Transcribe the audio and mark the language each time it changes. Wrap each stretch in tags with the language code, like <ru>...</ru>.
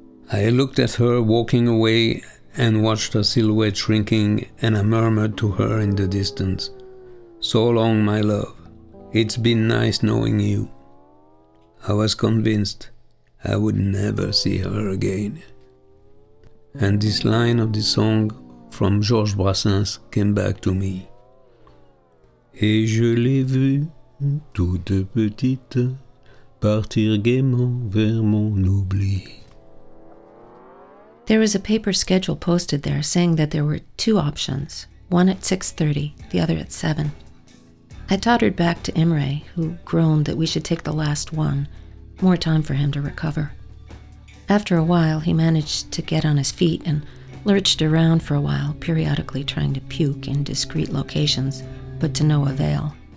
<en>I looked at her walking away and watched her silhouette shrinking, and I murmured to her in the distance, "So long, my love. It's been nice knowing you." I was convinced I would never see her again. And this line of the song from Georges Brassens came back to me.</en> <fr>Et je l'ai vue, toute petite, partir gaiement vers mon oubli.</fr> <en>There was a paper schedule posted there saying that there were two options, one at 6:30, the other at 7. I tottered back to Imre, who groaned that we should take the last one, more time for him to recover. After a while, he managed to get on his feet and lurched around for a while, periodically trying to puke in discreet locations, but to no avail.</en>